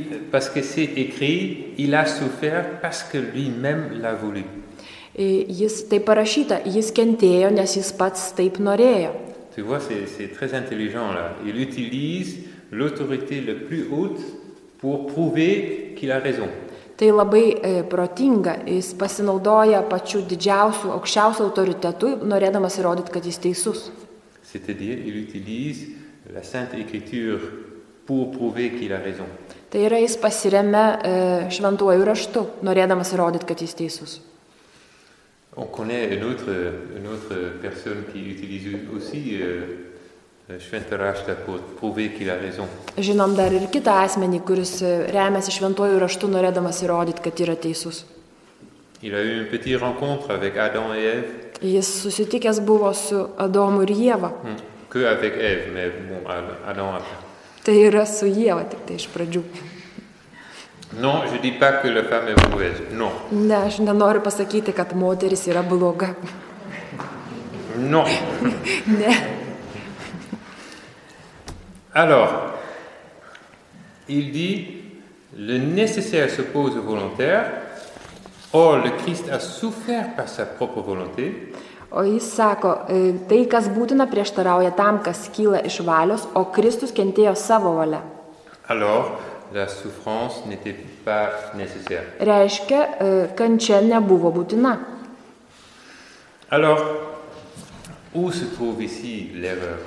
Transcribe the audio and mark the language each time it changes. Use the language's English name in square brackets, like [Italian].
[French] Parce que c'est écrit, il a souffert parce que lui-même l'a voulu. [Lithuanian] Jis taip parašyta, jis kentėjo, nes jis pats taip norėjo. [French] Tu vois, c'est très intelligent là. Il utilise l'autorité la plus haute pour prouver qu'il a raison. [Lithuanian] Tai labai protinga, jis pasinaudoja pačiu didžiausiu, aukščiausiu autoritetu, norėdamas įrodyti, kad jis teisus. [French] C'est-à-dire, il utilise la Sainte Écriture pour prouver qu'il a raison. [Lithuanian] Tai yra, jis pasiremia šventuoju raštu, norėdamas įrodyti, kad jis teisus. [French] On connaît une autre personne qui utilise aussi [Lithuanian] Švento raštą [French] pour prouver qu'il a raison. [Lithuanian] Žinom dar ir kitą asmenį, kuris remiasi šventuoju raštu, norėdamas įrodyti, kad yra teisus. [French] Il a eu une petite rencontre avec Adam et Ève. [Lithuanian] Jis susitikęs buvo su Adomu ir Jėva. [French] Que avec Ève, mais bon, Adam après. [Lithuanian] Tai yra su Jėva tik tai iš pradžių. [French] Non, je dis pas que la femme est mauvaise. Non. [Lithuanian] Ne, aš nenoriu pasakyti, kad moteris yra bloga. [French] Non. [Lithuanian] Ne. [French] Alors, il dit, le nécessaire s'oppose au volontaire. Or, le Christ a souffert par sa propre volonté. [Lithuanian] O jis sako, tai, kas būtina, prieštarauja tam, kas kyla iš valios, o Kristus kentėjo savo valia. [French] Alors, la souffrance n'était pas nécessaire. [Lithuanian] Reiškia, kančia nebuvo būtina. [French] Alors, où se trouve ici l'erreur?